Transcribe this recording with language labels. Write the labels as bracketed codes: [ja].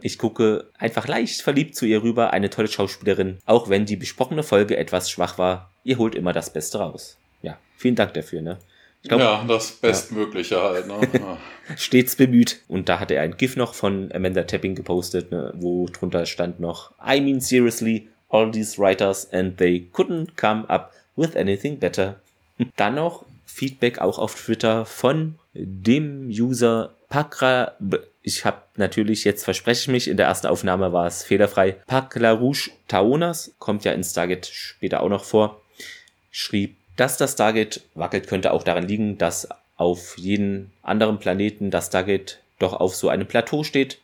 [de] Ich gucke einfach leicht verliebt zu ihr rüber, eine tolle Schauspielerin. Auch wenn die besprochene Folge etwas schwach war, ihr holt immer das Beste raus. Ja, vielen Dank dafür, ne? Ich glaub, ja, das Bestmögliche halt, ne? Stets bemüht. Und da hat er ein GIF noch von Amanda Tapping gepostet, ne? Wo drunter stand noch: [en] I mean seriously, all these writers and they couldn't come up with anything better. [de] Dann noch Feedback auch auf Twitter von dem User Pakra. Ich habe natürlich, jetzt verspreche ich mich, in der ersten Aufnahme war es fehlerfrei. Paklarouche Taonas, kommt ja in Stargate später auch noch vor, schrieb: Dass das Stargate wackelt, könnte auch daran liegen, dass auf jedem anderen Planeten das Stargate doch auf so einem Plateau steht.